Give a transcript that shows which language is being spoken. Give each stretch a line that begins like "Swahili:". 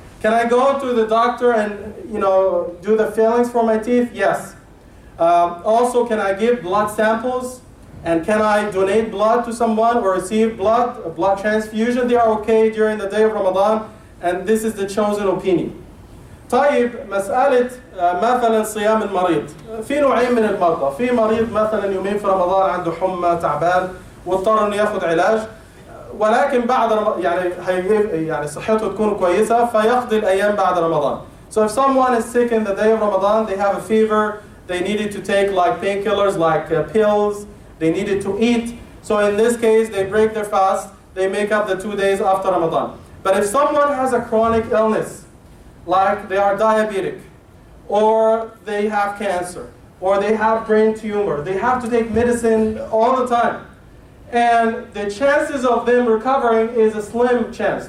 English: Can I go to the doctor and, you know, do the fillings for my teeth? Yes. Also, can I give blood samples? And can I donate blood to someone or receive blood, a blood transfusion? They are okay during the day of Ramadan. And this is the chosen opinion.
Arabic: طيب مسألة مثلا صيام المريض. في نوعين من المرضى. في مريض مثلا يومين في رمضان عنده حمى تعبان واضطر انه ياخذ علاج، ولكن بعد يعني صحته تكون كويسه فيقضي الايام بعد رمضان.
English: So if someone is sick in the day of Ramadan, they have a fever, they needed to take like painkillers, like pills, they needed to eat. So in this case, they break their fast, they make up the 2 days after Ramadan. But if someone has a chronic illness, like they are diabetic, or they have cancer, or they have brain tumor, they have to take medicine all the time, and the chances of them recovering is a slim chance.